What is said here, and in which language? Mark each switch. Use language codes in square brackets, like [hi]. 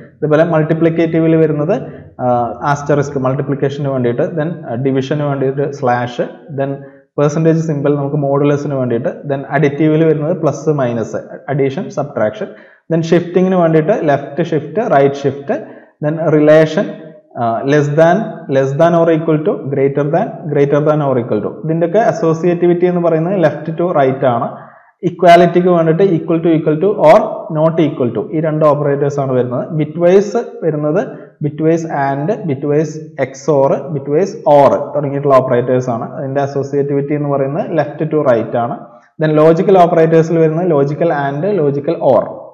[ml] ഇതുപോലെ മൾട്ടിപ്ലിക്കേറ്റീവിൽ വരുന്നത് ആസ്റ്ററിസ്ക് മൾട്ടിപ്ലിക്കേഷന് വേണ്ടിയിട്ട്, ദെൻ ഡിവിഷന് വേണ്ടിയിട്ട് സ്ലാഷ്, ദെൻ പെർസെൻറ്റേജ് സിമ്പിൾ നമുക്ക് മോഡുലസിന് വേണ്ടിയിട്ട്, ദെൻ അഡിറ്റീവിൽ വരുന്നത് plus minus addition subtraction, then ഷിഫ്റ്റിങ്ങിന് വേണ്ടിയിട്ട് left shift right shift, then relation [en] less than or equal to, greater than or equal to. [ml] ഇതിന്റെ ഒക്കെ അസോസിയേറ്റിവിറ്റി എന്ന് പറയുന്നത് ലെഫ്റ്റ് ടു റൈറ്റ് ആണ്. ഇക്വാലിറ്റിക്ക് വേണ്ടിട്ട് equal two or not equal to, ഈ രണ്ട് operators ആണ് വരുന്നത്. ബിറ്റ്വൈസ് വരുന്നത് bitwise and, bitwise X or, bitwise or തുടങ്ങിയിട്ടുള്ള ഓപ്പറേറ്റേഴ്സ് ആണ്. അതിൻ്റെ അസോസിയേറ്റിവിറ്റി എന്ന് പറയുന്നത് ലെഫ്റ്റ് ടു റൈറ്റ് ആണ്. ദെൻ ലോജിക്കൽ ഓപ്പറേറ്റേഴ്സിൽ വരുന്നത് ലോജിക്കൽ ആൻഡ്, ലോജിക്കൽ ഓർ.